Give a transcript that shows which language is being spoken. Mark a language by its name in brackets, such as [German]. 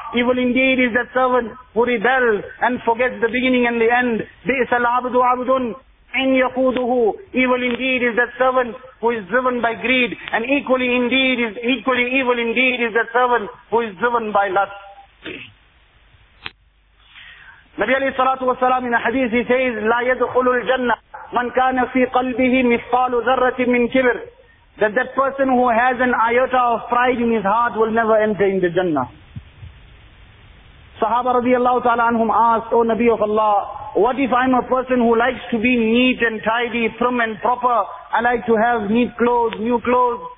[English] Evil indeed is that servant who rebels and forgets the beginning and the end. [Arabic] بِئْسَ الْعَبْدُ عَبْدٌ إِنْ يَقُودُهُ. [English] Evil indeed is that servant who is driven by greed, and equally evil indeed is that servant who is driven by lust. Nabi alayhi salatu wa salam in a hadith, he says, [Arabic] لَا يَدْخُلُ الْجَنَّةِ مَنْ كَانَ فِي قَلْبِهِ مِثْقَالُ ذَرَّةٍ مِّنْ كِبْرٍ. [English] That person who has an iota of pride in his heart will never enter in the Jannah. Sahaba radiallahu ta'ala anhum asked, O Nabi of Allah, what if I'm a person who likes to be neat and tidy, prim and proper? I like to have neat clothes, new clothes.